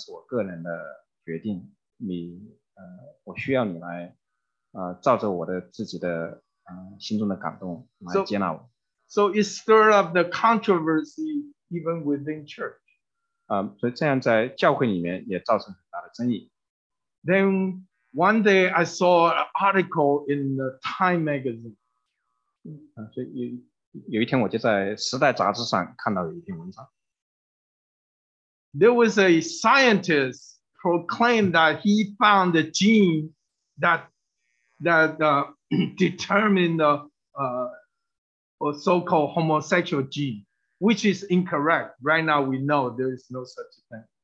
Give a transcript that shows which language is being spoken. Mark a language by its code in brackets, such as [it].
[zh] 对这个社会上这个说法就是我的性取向是我个人的决定。我需要你来，照着我的自己的心中的感动来接纳我。 [en] So it stirred up the controversy even within church. [zh] 所以这样在教会里面也造成很大的争议。 [en] Then one day I saw an article in the Time magazine. [zh] 所以有一天我就在《时代》杂志上看到有一篇文章。 [en] There was a scientist. Proclaimed that he found the gene that determined the or so-called homosexual gene, which is incorrect. Right now, we know there is no such thing.